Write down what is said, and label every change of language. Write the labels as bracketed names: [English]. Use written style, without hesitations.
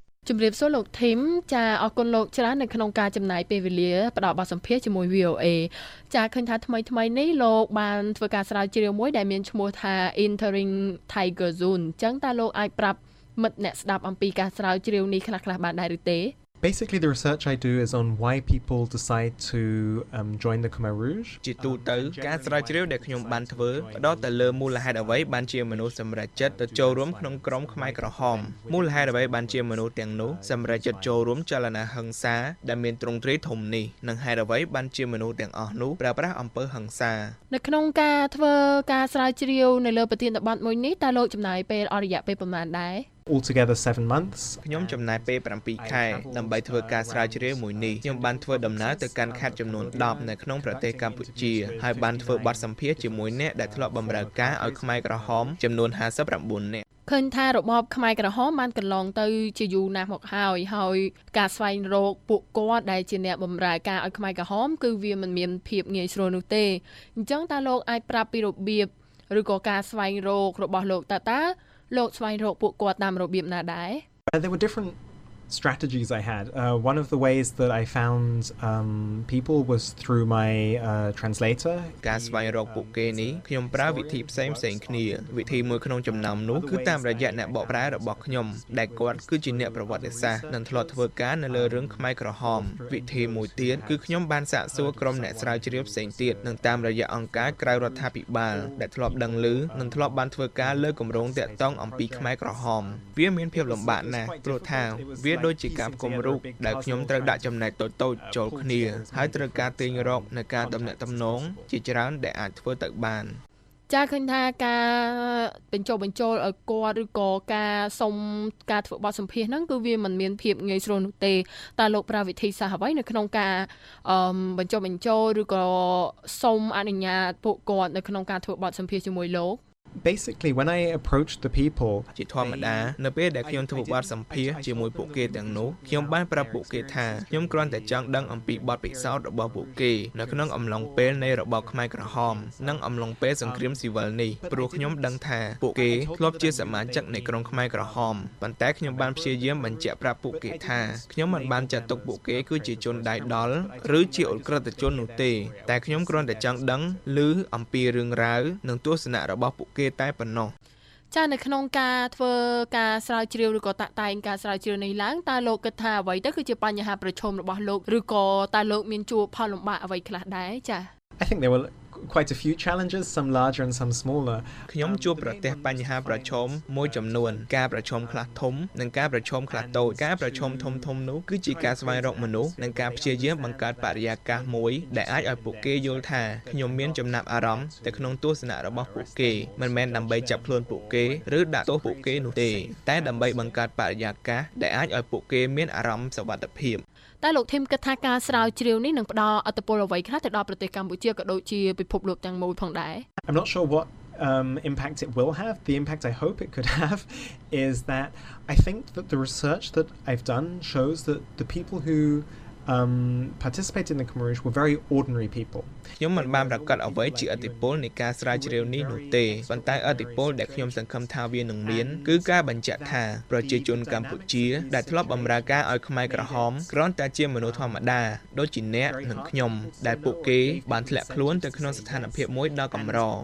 [Khmer] ជំរាបសួរលោកធីមចាអរគុណលោកច្រើននៅក្នុងការចំណាយពេលវេលាផ្ដល់បទសម្ភាសជាមួយ VOA ចាឃើញថាថ្មីៗនេះលោកបានធ្វើការស្រាវជ្រាវមួយដែលមានឈ្មោះថា Entering Tiger Zone ចឹងតើលោកអាចប្រាប់មិត្តអ្នកស្ដាប់អំពីការស្រាវជ្រាវនេះខ្លះៗបានដែរឬទេ [English] Basically the research I do is on why people decide to join the Khmer Rouge [Khmer] ជាទូទៅការស្រាវជ្រាវដែលខ្ញុំបានធ្វើផ្ដោតទៅលើមូលហេតុអ្វីបានជាមនុស្សសម្រេចចិត្តទៅចូលរួមក្នុងក្រុមខ្មែរក្រហមមូលហេតុអ្វីបានជាមនុស្សទាំងនោះសម្រេចចិត្តចូលរួមចលនាហិង្សាដែលមានទ្រង់ទ្រាយធំនេះនិងហេតុអ្វីបានជាមនុស្សទាំងអស់នោះប្រើប្រាស់អំពើហិង្សានៅក្នុងការធ្វើការស្រាវជ្រាវនៅលើប្រធានបទមួយនេះតើលោកចំណាយពេលអរិយៈពេលប្រមាណដែរ [English] Altogether 7 months [Khmer] ខ្ញុំចំណាយពេល7ខែដើម្បីធ្វើការស្រាវជ្រាវមួយនេះខ្ញុំបានធ្វើដំណើរទៅកាន់ខេត្តចំនួន10នៅក្នុងប្រទេសកម្ពុជាហើយបានធ្វើបទសម្ភាសជាមួយអ្នកដែលធ្លាប់បម្រើការឲ្យខ្មែរក្រហមចំនួន59នាក់ ឃើញថារបបខ្មែរក្រហមបានកន្លងទៅជាយូរណាស់មកហើយហើយការស្វែងរកពួកគាត់ដែលជាអ្នកបម្រើការឲ្យខ្មែរក្រហមគឺវាមិនមានភាពងាយស្រួលនោះទេអញ្ចឹងតើលោកអាចប្រាប់ពីរបៀបឬក៏ការស្វែងរករបស់លោកតើលោកស្វែងរកពួកគាត់តាមរបៀបណាដែរ [English] There were different strategies I had. One of the ways that I found people was through my translator. [Khmer] ការស្វែងរកពួកគេនេះខ្ញុំប្រើវិធីផ្សេងផ្សេងគ្នាវិធីមួយក្នុងចំណោមនោះគឺតាមរយៈអ្នកបកប្រែរបស់ខ្ញុំដែលគាត់គឺជាអ្នកប្រវត្តិសាស្ត្រនិងធ្លាប់ធ្វើការនៅលើរឿងខ្មែរក្រហមវិធីមួយទៀតគឺខ្ញុំបានសាកសួរក្រុមអ្នកស្រាវជ្រាវផ្សេងទៀតនឹងតាមរយៈអង្គការក្រៅរដ្ឋាភិបាលដែលធ្លាប់ដឹងឮ និងធ្លាប់បានធ្វើការលើគម្រោងតាក់ទងអំពីខ្មែរក្រហមវាមានភាពលំបាកណាស់ព្រោះថាវាដូចជាការផ្គុំរូបដែលខ្ញុំត្រូវដាក់ចំណែកតូចៗចូលគ្នាហើយត្រូវការទាញរកនៃការដំណាក់ដំណងជាច្រើនដែលអាចធ្វើទៅបាន ចាឃើញថាការបញ្ចុះបញ្ចូលឲ្យគាត់ឬក៏ការសុំការធ្វើបទសម្ភាសហ្នឹងគឺវាមិនមានភាពងាយស្រួលនោះទេតើលោកប្រាវិធីសាស្ត្រអ្វីនៅក្នុងការបញ្ចុះបញ្ចូលឬក៏សុំអនុញ្ញាតពួកគាត់នៅក្នុងការធ្វើបទសម្ភាសជាមួយលោក [English] Basically when I approached the people [Khmer] ជាធម្មតានៅពេលដែលខ្ញុំធ្វើបទសម្ភាសជាមួយពួកគេទាំងនោះខ្ញុំបានប្រាប់ពួកគេថាខ្ញុំគ្រាន់តែចង់ដឹងអំពីបទពិសោធន៍របស់ពួកគេនៅក្នុងអំឡុងពេលនៃរបបខ្មែរក្រហមនិងអំឡុងពេលសង្គ្រាមស៊ីវិលនេះព្រោះខ្ញុំដឹងថាពួកគេធ្លាប់ជាសមាជិកនៃក្រុមខ្មែរក្រហមប៉ុន្តែខ្ញុំបានព្យាយាមបញ្ជាក់ប្រាប់ពួកគេថាខ្ញុំមិនបានចាត់ទុកពួកគេគឺជាជនដៃដល់ឬជាអូក្រិតជននោះទេតែខ្ញុំគ្រាន់តែចង់ដឹងឮអំពីរឿងរ៉ាវនិងទស្សនៈរបស់គេតែប៉ុណ្ណោះ ចានៅក្នុងការធ្វើការស្រាវជ្រាវឬក៏តាក់តែងការស្រាវជ្រាវនេះឡើងតើលោកគិតថាអ្វីទៅគឺជាបញ្ហាប្រឈមរបស់លោកឬក៏តើលោកមានជួបផលលំបាកអ្វីខ្លះដែរចា [English] I think there were quite a few challenges some larger and some smaller [Khmer] ខ្ញុំជួបប្រទះបញ្ហាប្រឈមមួយចំនួនការប្រឈមខ្លះធំនិងការប្រឈមខ្លះតូចការប្រឈមធំធំនោះគឺជាការស្វែងរកមនុស្សនិងការព្យាយាមបង្កើតបរិយាកាសមួយដែលអាចឲ្យពួកគេយល់ថាខ្ញុំមានចំណាប់អារម្មណ៍ទៅក្នុងទស្សនៈរបស់ពួកគេមិនមែនដើម្បីចាប់ខ្លួនពួកគេឬដាក់ទោសពួកគេនោះទេតែដើម្បីបង្កើតបរិយាកាសដែលអាចឲ្យពួកគេមានអារម្មណ៍សុវត្ថិភាព តើលោកធីមគិតថាការស្រាវជ្រាវនេះនឹងផ្ដល់ឥទ្ធិពលអ្វីខ្លះទៅដល់ប្រទេសកម្ពុជាក៏ដូចជាពិភពលោកទាំងមូលផងដែរ [English] I'm not sure what impact it will have the impact I hope it could have is that I think that the research that I've done shows that the people whoparticipated in the Khmerish were very ordinary people [Khmer] ខ្ញុំមិនបានប្រកាសអ្វីជាឥទ្ធិពលនៃការស្រាវជ្រាវនេះនោះទេប៉ុន្តែឥទ្ធិពលដែលខ្ញុំសង្ឃឹមថាវានឹងមានគឺការបញ្ជាក់ថាប្រជាជនកម្ពុជាដែលធ្លាប់បម្រើការឲ្យខ្មែរក្រហមគ្រាន់តែជាមនុស្សធម្មតាដូចជាអ្នកនិងខ្ញុំដែលពួកគេបានធ្លាក់ខ្លួនទៅក្នុងស្ថានភាពមួយដ៏កម្រ